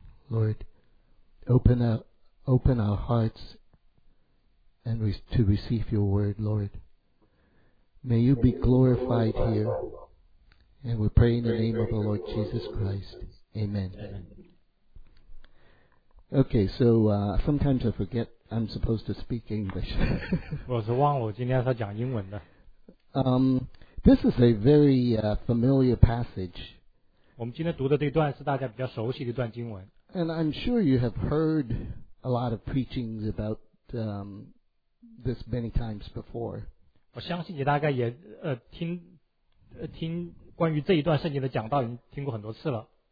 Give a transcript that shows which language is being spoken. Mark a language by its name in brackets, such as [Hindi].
[English] Lord, open our hearts and to receive your word, Lord. May you be glorified here. And we pray in the name of the Lord Jesus Christ. Amen. Okay, so sometimes I forget I'm supposed to speak English. [Chinese] 我是忘了我今天要讲英文的。 [English] This is a very familiar passage. [Chinese] 我们今天读的这段是大家比较熟悉的一段经文。 [English] And I'm sure you have heard a lot of preachings about this many times before. [Chinese] 我相信你大概也听关于这一段圣经的讲道已经听过很多次了。